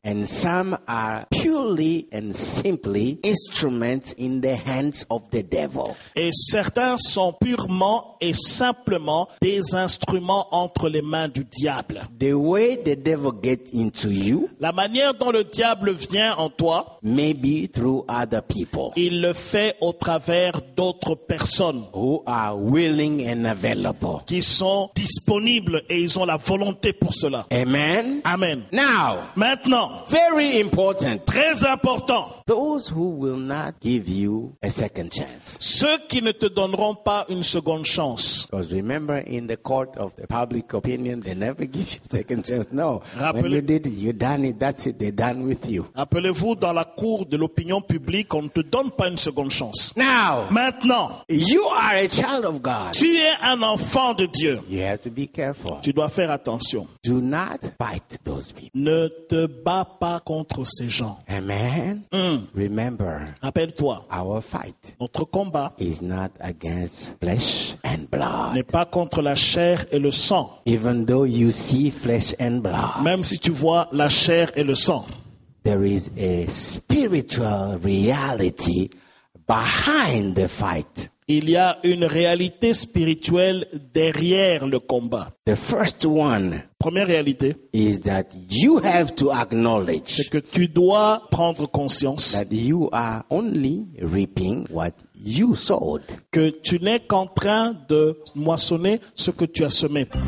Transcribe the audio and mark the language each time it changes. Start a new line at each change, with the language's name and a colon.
English: And some are purely and simply instruments in the hands of the devil.
French: Et certains sont purement et simplement des instruments entre les mains du diable.
English: The way the devil gets into you.
French: La manière dont le diable vient en toi.
English: Maybe through other people.
French: Il le fait au travers d'autres personnes.
English: Who are willing and available.
French: Qui sont disponibles et ils ont la volonté pour cela. Amen. Amen.
English: Now.
French: Maintenant.
English: Very important.
French: Très important.
English: Those who will not give you a second chance.
French: Ceux qui ne te donneront pas une seconde chance.
English: Because remember in the court of the public opinion, they never give you a second chance. No. When you did it, you done it, that's it, they're done with you.
French: Rappelez-vous, dans la cour de l'opinion publique, on ne te donne pas une seconde chance.
English: Now.
French: Maintenant.
English: You are a child of God.
French: Tu es un enfant de Dieu.
English: You have to be careful.
French: Tu dois faire attention.
English: Do not fight those people.
French: Ne te bats pas contre ces gens.
English: Amen. Remember,
French: rappelle-toi,
English: our fight,
French: notre combat,
English: is not against flesh and blood.
French: N'est pas contre la chair et le sang.
English: Even though you see flesh and blood,
French: même si tu vois la chair et le sang,
English: there is a spiritual reality behind the fight.
French: Il y a une réalité spirituelle derrière le combat.
English: The first one,
French: première réalité,
English: is that you have to acknowledge,
French: c'est que tu dois prendre conscience,
English: that you are only reaping what you sowed,
French: que tu n'es qu'en train de moissonner ce que tu as semé.